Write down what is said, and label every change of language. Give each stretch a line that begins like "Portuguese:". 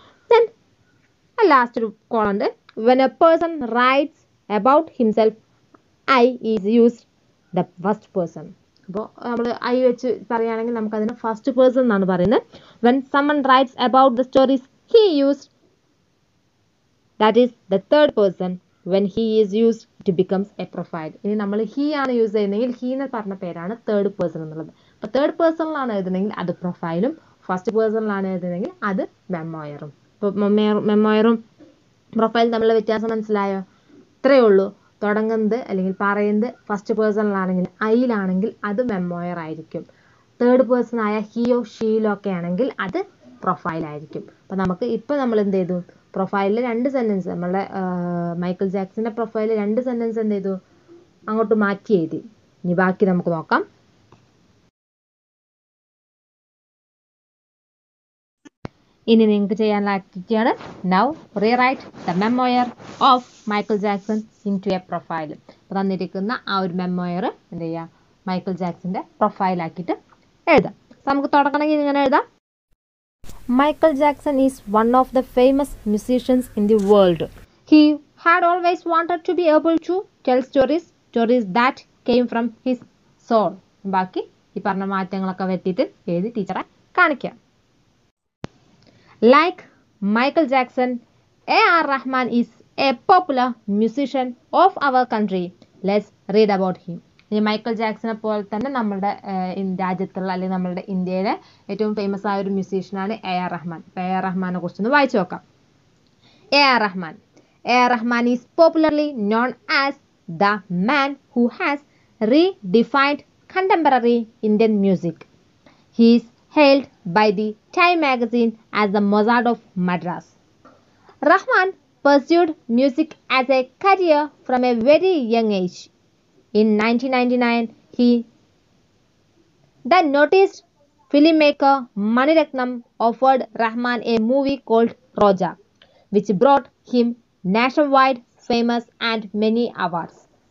English: then last
Malayalam: ഒരു കോളുണ്ട്,
English: When a person writes about himself I is used the first person.
Malayalam: അപ്പോൾ നമ്മൾ I വെച്ച് പറയുകയാണെങ്കിൽ നമുക്കതിന് ഫസ്റ്റ് പേഴ്സൺ എന്നാണ് പറയുന്നത്.
English: When someone writes about the stories he used that is the third person. When he is used, it becomes a profile.
Malayalam: ഇനി നമ്മൾ he ആണ് യൂസ് ചെയ്യുന്നതെങ്കിൽ ഹി എന്ന് പറഞ്ഞ പേരാണ് തേർഡ് പേഴ്സൺ എന്നുള്ളത്. അപ്പോൾ തേർഡ് പേഴ്സണിലാണ് എഴുതുന്നതെങ്കിൽ അത് പ്രൊഫൈലും, ഫസ്റ്റ് പേഴ്സണിലാണ് എഴുതുന്നതെങ്കിൽ അത് മെമ്മോയറും. ഇപ്പോൾ മെമ്മോയറും പ്രൊഫൈലും തമ്മിലുള്ള വ്യത്യാസം മനസ്സിലായോ? ഇത്രയേ ഉള്ളൂ. തുടങ്ങുന്നത് അല്ലെങ്കിൽ പറയുന്നത് ഫസ്റ്റ് പേഴ്സണിലാണെങ്കിൽ, ഐയിലാണെങ്കിൽ അത് മെമ്മോയർ ആയിരിക്കും. തേർഡ് പേഴ്സൺ ആയ ഹിയോ ഷീയിലൊക്കെ ആണെങ്കിൽ അത് പ്രൊഫൈലായിരിക്കും. അപ്പോൾ നമുക്ക് ഇപ്പോൾ നമ്മൾ എന്ത് ചെയ്തു, പ്രൊഫൈലിൽ രണ്ട് സെൻറ്റൻസ് നമ്മളുടെ മൈക്കിൾ ജാക്സൻ്റെ പ്രൊഫൈലിൽ രണ്ട് സെൻറ്റൻസ് എന്ത് ചെയ്തു, അങ്ങോട്ട് മാറ്റി എഴുതി. ഇനി ബാക്കി നമുക്ക് നോക്കാം. ഇനി നിങ്ങൾക്ക് ചെയ്യാനുള്ള ആക്ടിവിറ്റിയാണ്
English: Now rewrite the memoir of Michael Jackson into a profile.
Malayalam: അപ്പോൾ തന്നിരിക്കുന്ന ആ ഒരു മെമ്മോയർ എന്ത് ചെയ്യുക, മൈക്കിൾ ജാക്സൻ്റെ പ്രൊഫൈലാക്കിയിട്ട് എഴുതാം. നമുക്ക് തുടങ്ങണമെങ്കിൽ ഇങ്ങനെ എഴുതാം.
English: Michael Jackson is one of the famous musicians in the world. He had always wanted to be able to tell stories that came from his soul.
Malayalam: ബാക്കി ഈ പറഞ്ഞ മാറ്റങ്ങളൊക്കെ വരുത്തിയിട്ട് എഴുതി ടീച്ചറെ കാണിക്കാം.
English: Like Michael Jackson, A.R. Rahman is a popular musician of our country. Let's read about him.
Malayalam: ഇനി Michael ജാക്സനെ പോലെ തന്നെ നമ്മുടെ രാജ്യത്തുള്ള അല്ലെങ്കിൽ നമ്മുടെ ഇന്ത്യയിലെ ഏറ്റവും ഫേമസ് ആയ ഒരു മ്യൂസീഷ്യനാണ് എ.ആർ. റഹ്മാൻ. അപ്പോൾ എ.ആർ. റഹ്മാനെ കുറിച്ചൊന്ന് വായിച്ചു നോക്കാം.
English: A R. Rahman is popularly known as the man who has redefined contemporary Indian music. He is hailed by the Time magazine as the Mozart of Madras. Rahman pursued music as a career from a very young age. In 1999, the noted filmmaker Maniratnam offered Rahman a movie called Roja, which brought him nationwide famous and many awards.